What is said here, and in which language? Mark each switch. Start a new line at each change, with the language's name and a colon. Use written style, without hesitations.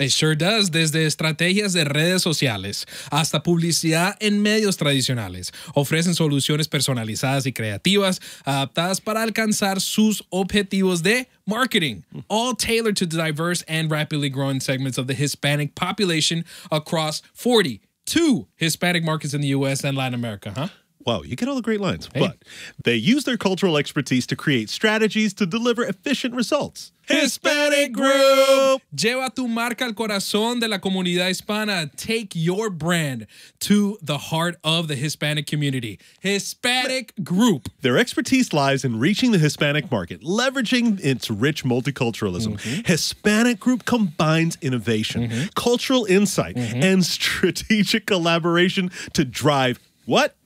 English: It sure does.
Spanish: Desde estrategias de redes sociales hasta publicidad en medios tradicionales, ofrecen soluciones personalizadas y creativas adaptadas para alcanzar sus objetivos de marketing,
English: all tailored to the diverse and rapidly growing segments of the Hispanic population across 42 Hispanic markets in the U.S. and Latin America, huh? Wow, you get all the great lines. Hey. But they use their cultural expertise to create strategies to deliver efficient results. Hispanic Group!
Spanish: Lleva tu marca al corazón de la comunidad hispana.
English: Take your brand to the heart of the Hispanic community. Hispanic Group. Their expertise lies in reaching the Hispanic market, leveraging its rich multiculturalism. Mm-hmm. Hispanic Group combines innovation, mm-hmm. cultural insight, mm-hmm. and strategic collaboration to drive what?